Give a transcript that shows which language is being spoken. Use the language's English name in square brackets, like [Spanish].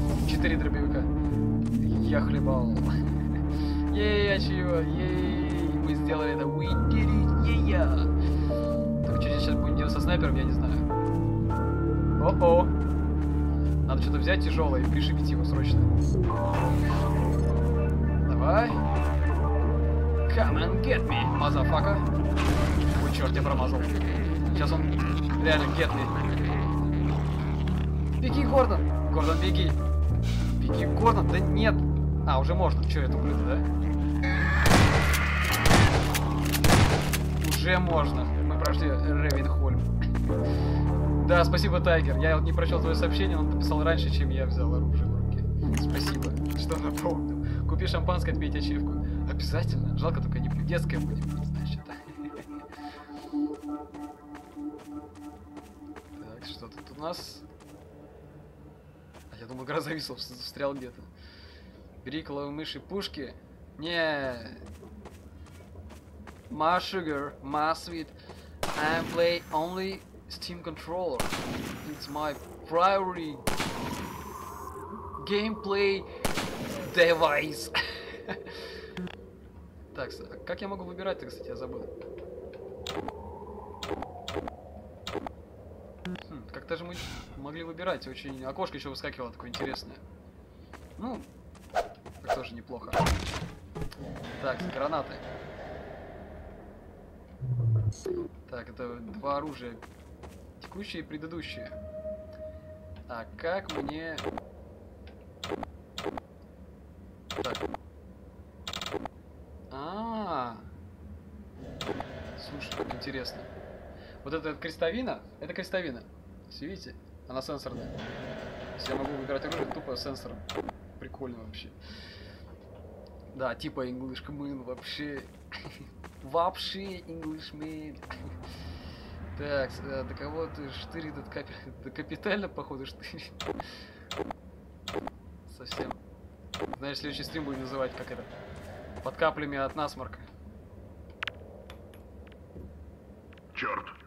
[Russian] Четыре дробовика. Я хлебал. Ей, а чего? Ей! Мы сделали это. [English] We did it! Yeah! [Russian] Что здесь сейчас будет делать со снайпером, я не знаю. О-о! Надо что-то взять тяжелое и пришибить его срочно. Давай! [English] Come and get me, [Russian] мазафака! Ой, черт, я промазал. Сейчас он реально [English] get me. [Russian] Беги, Гордон! Гордон, беги! Беги, Гордон! Да нет! А, уже можно. Че, это ублюдок, да? Уже можно. Прошли Рейвенхольм. Да, спасибо, Тайгер. Я вот не прочел твое сообщение, но написал раньше, чем я взял оружие в руки. Спасибо, что напомнил. Купи шампанское, отбейте ачивку. Обязательно. Жалко, только не детское будет, значит. Так, что тут у нас? А я думал, игра зависла, застрял где-то. Бери клавиши мыши пушки. Не. [English] My sugar, my sweet. I play only Steam controller. It's my priority gameplay device. [Russian] Так, как я могу выбирать-то, кстати, я забыл. Как-то же мы могли выбирать. Очень окошко еще выскакивало такое интересное. Ну, так тоже неплохо. Так, гранаты. Так, это два оружия. Текущее и предыдущее. А как мне... Так. А-а-а. Слушай, как интересно. Вот это крестовина? Это крестовина. Все видите? Она сенсорная. Я могу выбирать оружие тупо сенсором. Прикольно вообще. Да, типа [English] English man [Russian] вообще. Вообще [English] English man. [Russian] Так, до кого ты штырит этот капель? Да капитально, походу, штырит. Совсем. Значит, следующий стрим будем называть как это. Под каплями от насморка. Черт.